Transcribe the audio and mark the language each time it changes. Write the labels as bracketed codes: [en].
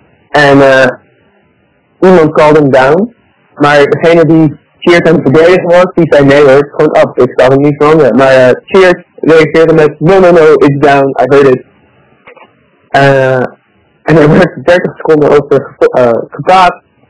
[nl] en iemand [en] called him down, [nl] maar degene die Cheers hem verdedigd was, die zei nee hoor, gewoon up, ik zag hem niet veranderen. Maar Cheers reageerde met [en] no, it's down, I heard it. [nl] En er werd 30 seconden over gepraat.